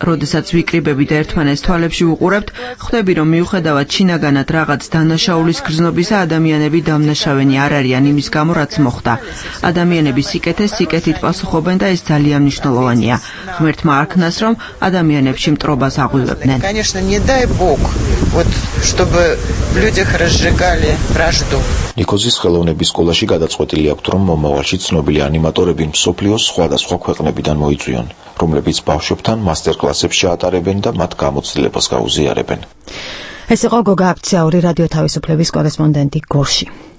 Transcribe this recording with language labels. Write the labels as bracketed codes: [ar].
[ka] როდესაც ვიკრიბები და ერთმანეთს თვალებში უყურებთ, ხვდები, რომ მიუხედავად შინაგანად რაღაც დანაშაულის გრძნობისა, ადამიანები დამნაშავენი არ არიან იმის გამო, რაც მოხდა. ადამიანები სიკეთეს სიკეთით პასუხობენ და ეს ძალიან მნიშვნელოვანია. ღმერთმა არქნას, რომ ადამიანებში მტრობას აღვივებდნენ. [ru] Конечно, не дай бог, вот чтобы в людях разжигали вражду. [ka] ნიკოზის ხელოვნების სკოლაში გადაწყვეტილი აქვთ, რომ მომავალში ცნობილი ანიმატორები მსოფლიოს სხვადასხვა ქვეყნებიდან მოიწვიონ, რომლებიც ბავშვებთან მასტერკლასებს ჩაატარებენ და მათ გამოცდილებას გაუზიარებენ. ეს იყო გოგა აქციაური რადიო თავისუფლების კორესპონდენტი გორში.